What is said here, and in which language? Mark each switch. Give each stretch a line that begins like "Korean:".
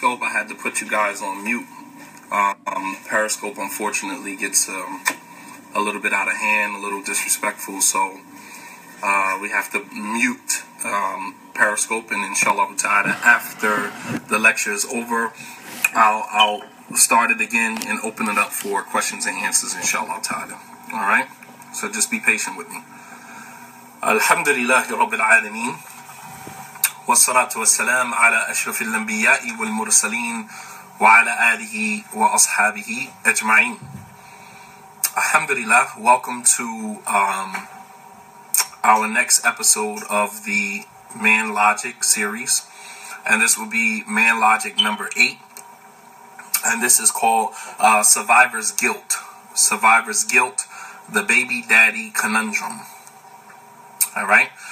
English: Periscope, I had to put you guys on mute. Periscope, unfortunately, gets a little bit out of hand, a little disrespectful, so we have to mute Periscope, and inshallah ta'ala, after the lecture is over, I'll start it again and open it up for questions and answers, inshallah ta'ala. All right? So just be patient with me. Alhamdulillahi Rabbil Alameen.
Arabic: والصلاة والسلام على أشرف الأنبياء والمرسلين وعلى آله وأصحابه أجمعين.
English: Alhamdulillah, welcome to our next episode of the Man Logic series. And this will be Man Logic number 8. And this is called Survivor's Guilt. Survivor's Guilt, the Baby Daddy Conundrum. All right?